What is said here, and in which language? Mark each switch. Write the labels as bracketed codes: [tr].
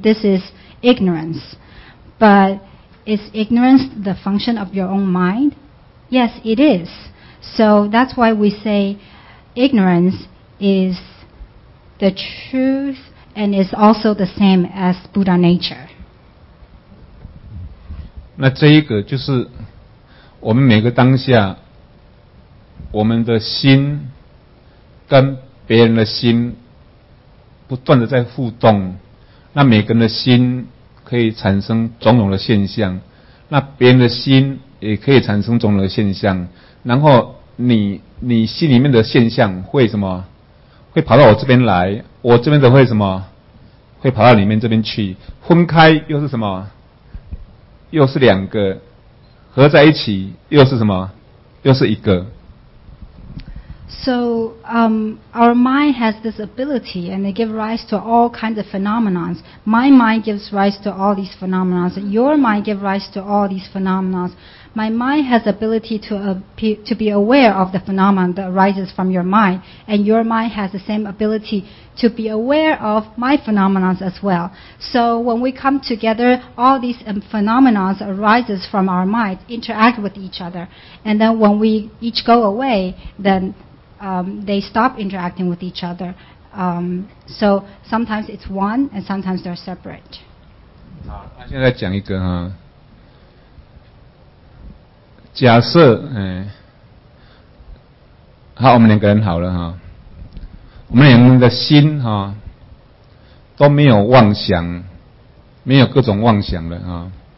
[en] This is ignorance. But is ignorance the function of your own mind? Yes, it is. So that's why we say ignorance is the truth and is also the same as Buddha nature. [zh] 那这一个就是我们每个当下，我们的心跟别人的心不断的在互动，那每个人的心可以产生种种的现象，那别人的心也可以产生种种的现象，然后你心里面的现象会什么？会跑到我这边来，我这边的会什么？会跑到里面这边去，分开又是什么？又是两个。合在一起又是什么？又是一个。 [en] So our mind has this ability, and they give rise to all kinds of phenomena. My mind gives rise to all these phenomena. Your mind gives rise to all these phenomena. My mind has ability to be aware of the phenomena that arises from your mind, and your mind has the same ability to be aware of my phenomena as well. So when we come together, all these phenomena arises from our mind, interact with each other, and then when we each go away, then they stop interacting with each other. So sometimes it's one, and sometimes they're separate. [zh] 好，那现在讲一个哈。假设，好，我们两个人好了哈，我们两个人的心哈都没有妄想，没有各种妄想了哈。